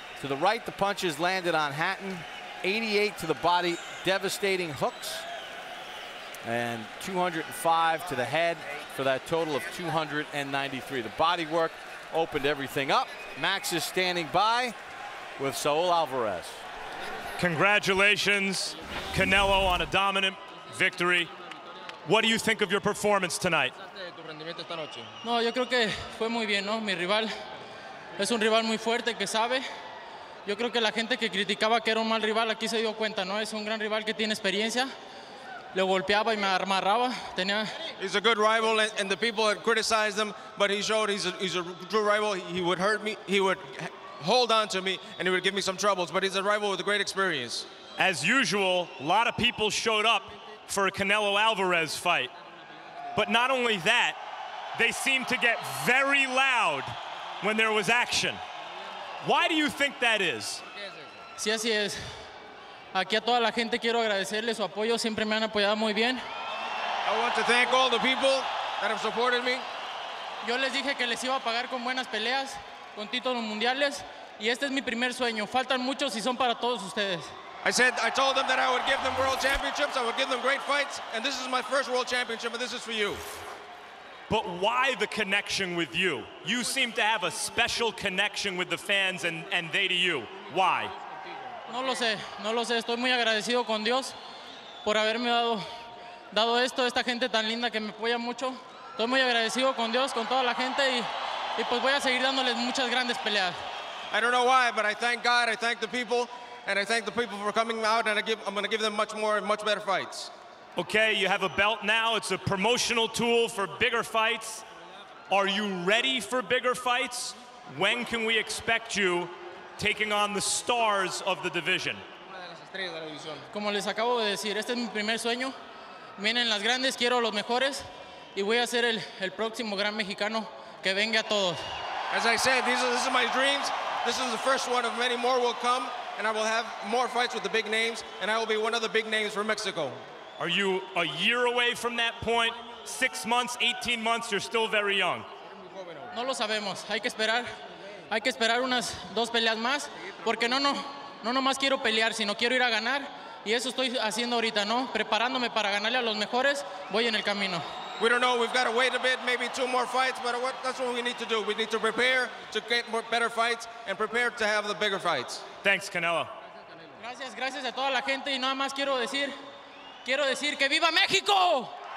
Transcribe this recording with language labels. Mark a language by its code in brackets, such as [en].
[en] To the right, the punches landed on Hatton, 88 to the body, devastating hooks, and 205 to the head for that total of 293. The body work opened everything up. Max is standing by with Saul Alvarez. Congratulations, Canelo, on a dominant victory. What do you think of your performance tonight? [es] No, yo creo que fue muy bien, ¿no? Mi rival es un rival muy fuerte que sabe. Yo creo que la gente que criticaba que era un mal rival aquí se dio cuenta, ¿no? Es un gran rival que tiene experiencia. Le golpeaba y me amarraba. Tenía. [en] He's a good rival, and the people had criticized him, but he showed he's a true rival. He would hurt me, he would hold on to me, and he would give me some troubles. But he's a rival with a great experience. As usual, a lot of people showed up for a Canelo Alvarez fight. But not only that, they seemed to get very loud when there was action. Why do you think that is? [es] Sí, así es. Aquí a toda la gente quiero agradecerle su apoyo. Siempre me han apoyado muy bien. [en] I want to thank all the people that have supported me. [es] Yo les dije que les iba a pagar con buenas peleas, con títulos mundiales, y este es mi primer sueño. Faltan muchos y son para todos ustedes. [en] I told them that I would give them world championships, I would give them great fights, and this is my first world championship, and this is for you. But why the connection with you? You seem to have a special connection with the fans and they to you. Why? [es] No lo sé, no lo sé. Estoy muy agradecido con Dios por haberme dado esto, esta gente tan linda que me apoya mucho. Estoy muy agradecido con Dios, con toda la gente, y pues voy a seguir dándoles muchas grandes peleas. [en] I don't know why, but I thank God, I thank the people, and I thank the people for coming out, and I'm going to give them much more and much better fights. Okay, you have a belt now. It's a promotional tool for bigger fights. Are you ready for bigger fights? When can we expect you taking on the stars of the division? [es] Como les acabo de decir, este es mi primer sueño. Vienen las grandes, quiero los mejores, y voy a ser el próximo gran mexicano que venga a todos. [en] As I said, this is my dreams. This is the first one of many more will come, and I will have more fights with the big names, and I will be one of the big names for Mexico. Are you a year away from that point? 6 months, 18 months, you're still very young. [es] No lo sabemos. Hay que esperar. Hay que esperar unas dos peleas más, porque no más quiero pelear, sino quiero ir a ganar, y eso estoy haciendo ahorita, ¿no? Preparándome para ganarle a los mejores, voy en el camino. [en] We don't know, we've got to wait a bit, maybe two more fights, but that's what we need to do. We need to prepare to get better fights and prepare to have the bigger fights. Thanks, Canelo. [es] Gracias, gracias a toda la gente, y nada más quiero decir que viva México!